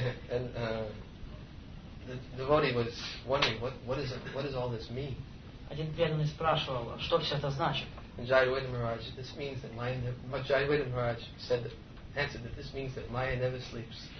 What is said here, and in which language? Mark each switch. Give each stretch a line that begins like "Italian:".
English: And the devotee was wondering what does all this mean?
Russian: Один преданный спрашивал, что все это значит?
English: Jayavada Maharaj, this means that Jayavada Maharaj said that, answered that this means that Maya never sleeps.